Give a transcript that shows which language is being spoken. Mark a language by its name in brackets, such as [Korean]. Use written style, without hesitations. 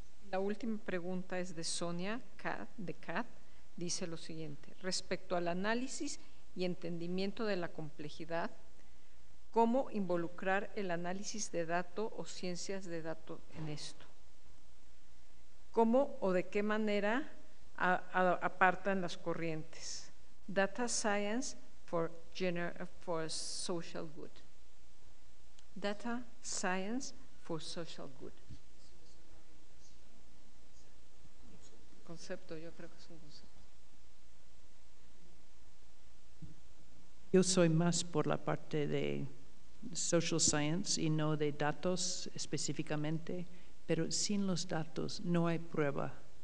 [Spanish] La última pregunta es de Sonia Kat, de Kat. Dice lo siguiente: respecto al análisis y entendimiento de la complejidad, ¿cómo involucrar el análisis de datos o ciencias de datos en esto? ¿Cómo o de qué manera apartan las corrientes? [English] Data science for social good. Data science for social good. [Spanish] Concepto, yo creo que es un concepto. Yo soy más por la parte de [English] social science [Spanish] y no de datos específicamente, pero sin los datos no hay prueba.